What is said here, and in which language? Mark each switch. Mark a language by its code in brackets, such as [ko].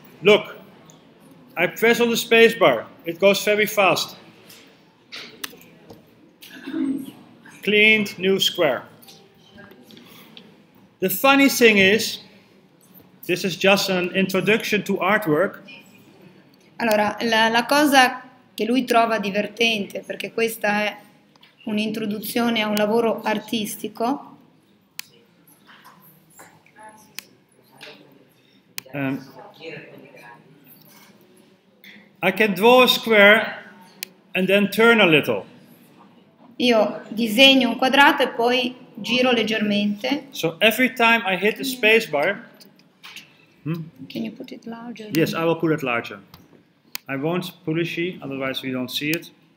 [en] Look, I press on the spacebar. It goes very fast. Cleaned new square. The funny thing is, this is just an introduction to artwork. [it] Allora, la cosa che lui trova divertente, perché questa è un'introduzione a un lavoro artistico. [en] I can draw a square and then turn a little. [it] Io disegno un quadrato e poi giro leggermente. [en] So every time I hit the space bar. Can you put it larger? Yes, I will put it larger. I won't pulishy, otherwise we don't see it.